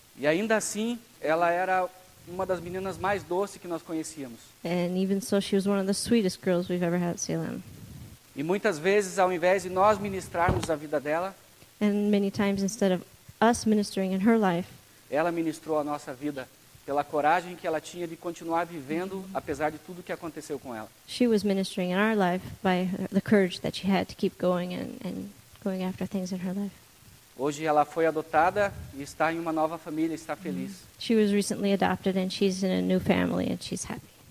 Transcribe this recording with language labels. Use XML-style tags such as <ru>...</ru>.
<pt>E ainda assim, ela era uma das meninas mais doces que nós conhecíamos.</pt> <en>And even so, she was one of the sweetest girls we've ever had at CLM.</en> <pt>E muitas vezes, ao invés de nós ministrarmos a vida dela,</pt> <en>and many times, instead of us ministering in her life,</en> <pt>ela ministrou a nossa vida pela coragem que ela tinha de continuar vivendo apesar de tudo que aconteceu com ela.</pt> <en>She was ministering in our life by the courage that she had to keep going and going after things in her life.</en> <pt>Hoje ela foi adotada e está em uma nova família, está feliz.</pt> <en>She was recently adopted and she's in a new family and she's happy.</en>